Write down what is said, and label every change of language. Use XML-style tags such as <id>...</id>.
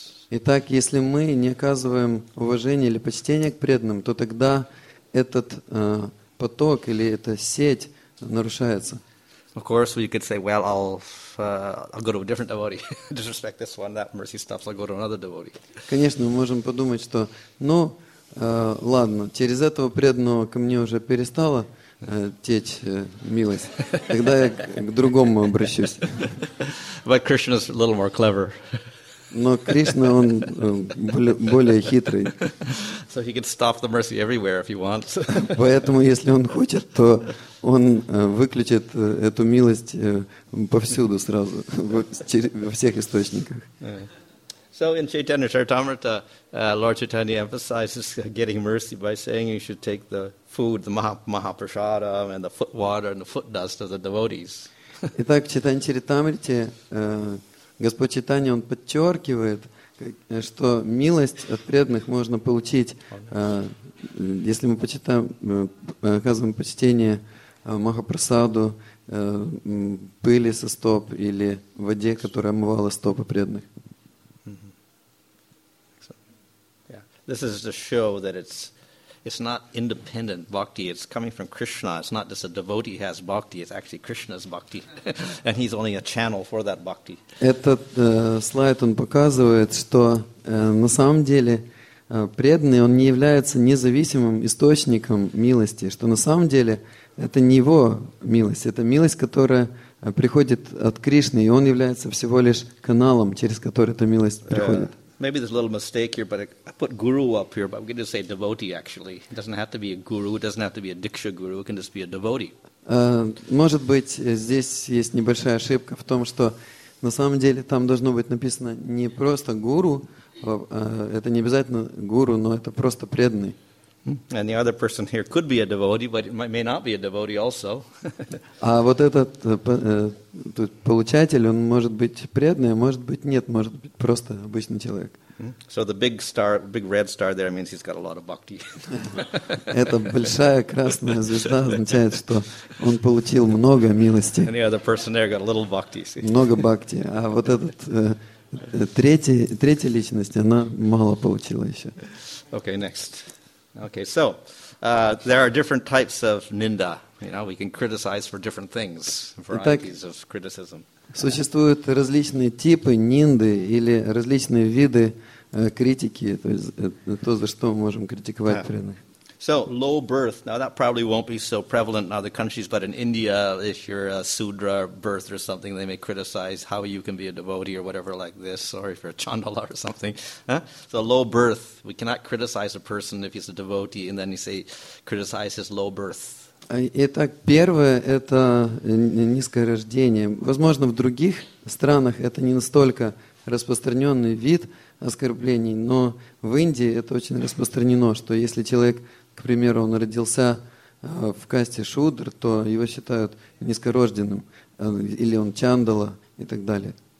<ru>Итак, если мы не оказываем уважение или почтение к преданным, то тогда этот поток или эта сеть нарушается.</ru> <en>Of course, we could say, "Well, I'll go to a different devotee. Disrespect this one, that mercy stops. I'll go to another devotee."</en> <ru>Конечно, мы можем подумать, что, ну, ладно, через этого преданного ко мне уже перестала течь милость. Тогда я к другому обращусь.</ru> <en>But Krishna is a little more clever.</en> <ru>Но Кришна, он более хитрый.</ru> <en>So he can stop the mercy everywhere if he wants.</en> <ru>Поэтому, если он хочет, то он выключит эту милость повсюду сразу, во всех источниках.</ru> <en>So in Chaitanya Charitamrita, Lord Chaitanya emphasizes getting mercy by saying you should take the food, the maha-prasada, and the foot water and the foot dust of the devotees.</en> <ru>Итак, в Чайтанья Чаритамрите Господь Чайтанья, он подчеркивает, что милость от преданных можно получить, если мы почитаем, оказываем почтение Махапрасаду, пыли со стоп или воде, которая омывала стопы преданных.</ru> <en>This is to show that it's not independent bhakti, it's coming from Krishna. It's not just a devotee has bhakti, it's actually Krishna's bhakti. And he's only a channel for that bhakti.</en> <ru>Этот слайд, он показывает, что на самом деле преданный, он не является независимым источником милости, что на самом деле это не его милость, это милость, которая приходит от Кришны, и он является всего лишь каналом, через который эта милость приходит.</ru> <en>Maybe there's a little mistake here, but I put guru up here, but we can just say devotee, actually. It doesn't have to be a guru, it doesn't have to be a diksha guru, it can just be a devotee.</en> <ru>Может быть, здесь есть небольшая ошибка в том, что на самом деле там должно быть написано не просто гуру, это не обязательно гуру, но это просто преданный.</ru> <en>And the other person here could be a devotee, but it may not be a devotee also.</en> <ru>А вот этот тут получатель, он может быть преданный, может быть нет, может быть просто обычный человек.</ru> <en>So the big star, big red star there means he's got a lot of bhakti.</en> <ru>Эта большая красная звезда означает, что он получил много милости.</ru> <en>And the other person there got a little bhakti.</en> <ru>Много бхакти. А вот этот третья личность, она мало получила еще.</ru> <en>Okay, next. Okay, so there are different types of ninda. You know, we can criticize for different things, varieties of criticism. Существуют различные типы нинды или различные виды критики, то есть то, за что мы можем критиковать преданных. So low birth. Now that probably won't be so prevalent in other countries, but in India, if you're a sudra birth or something, they may criticize how you can be a devotee or whatever like this, or if you're a chandala or something. Huh? So low birth. We cannot criticize a person if he's a devotee and then you say criticize his low birth.</en> <ru>Итак, первое это низкое рождение. Возможно, в других странах это не настолько распространенный вид оскорблений, но в Индии это очень распространено, что если человек, к примеру, он родился в касте шудр, то его считают низкорожденным, или он чандала и так далее.</ru>